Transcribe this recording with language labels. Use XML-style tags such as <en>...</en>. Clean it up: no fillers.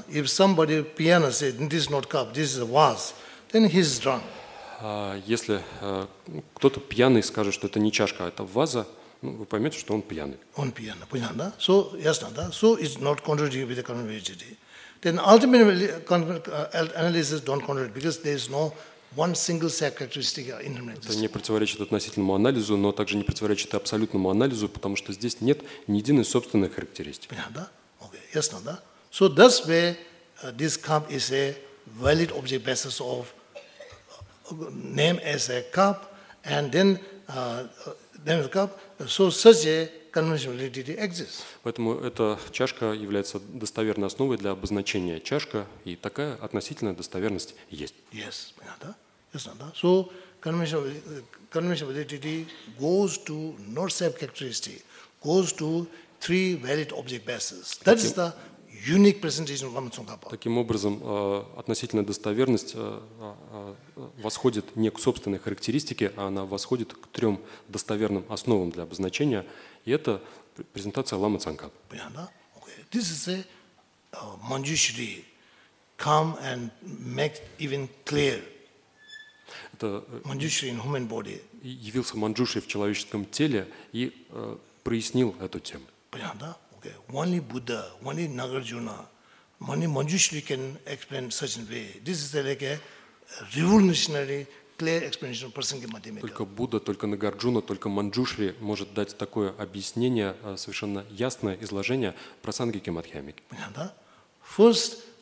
<en>If somebody piano said this is not cup, this is a vase, then he's drunk.</en> <ru>Если кто-то пьяный скажет, что это не чашка, а это ваза, ну, вы поймете, что он пьяный. Он пьяный, понятно, да? So, ясно, да?</ru> <en>So, it's not contradicting with the conventionality. Then, ultimately, analysis don't contradict, because there is no one single set characteristic in the</en> <ru>analysis. Это не противоречит относительному анализу, но также не противоречит абсолютному анализу, потому что здесь нет ни единой собственной характеристики. Понятно, да? Okay, ясно, да?</ru> <en>So, that's where this cup is a valid object basis of name as a cup, and then name the cup. So such a conventional validity exists.</en> <ru>Поэтому эта чашка является достоверной основой для обозначения чашка, и такая относительная достоверность есть.</ru> <en>Yes, да? Yes, да? So conventional validity goes to not self characteristic, goes to three valid object bases. That is the unique presentation of Lama Tsongkhapa.</en> <ru>Таким образом, относительная достоверность восходит не к собственной характеристике, а она восходит к трем достоверным основам для обозначения. И это презентация Лама Цанкапа. Понятно, да?</ru> <en>Okay. This is a Manjushri. Come and make even clear.</en> <ru>Это</ru> <en>Manjushri in human body.</en> <ru>Явился Манджуши в человеческом теле и прояснил эту тему. Понятно, да? Okay.</ru> <en>Only Buddha, only Nagarjuna, only Manjushri can explain such a way. This is like a revolutionary clear explanation of prasangi madhyamika.</en> <ru>Только Будда, только Нагарджуна, только Манджушри может дать такое объяснение, совершенно ясное изложение прасангики мадхьямики. Понятно, да? First,</ru>